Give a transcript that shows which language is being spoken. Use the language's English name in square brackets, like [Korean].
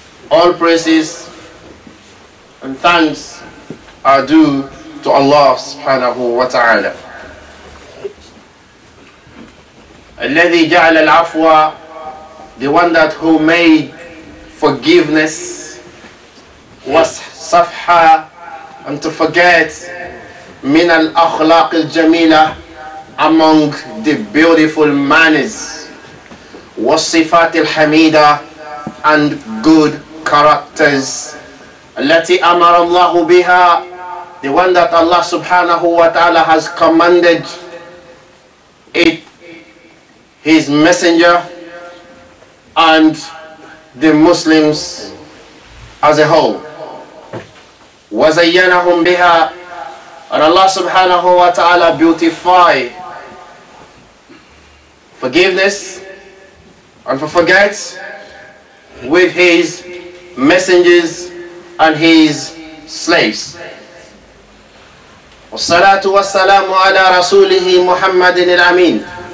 [English] All praises and thanks are due to Allah [Arabic] سبحانه وتعالى الذي جعل العفو [English] the one that who made forgiveness was safha and to forget [Arabic] min al akhlaq al jamila [English] among the beautiful manners [Arabic] was sifat al hamida [English] and good characters [Arabic] التي أمر الله بها, [English] the one that Allah [Arabic] subhanahu wa ta'ala [English] has commanded it, his messenger and the Muslims as a whole. [Arabic] وَزَيَّنَهُمْ بِهَا, [English] and Allah [Arabic] subhanahu wa ta'ala [English] beautify forgiveness and for forget with his messengers and his slaves. [Arabic] والصلاة والسلام على رسوله محمد الأمين.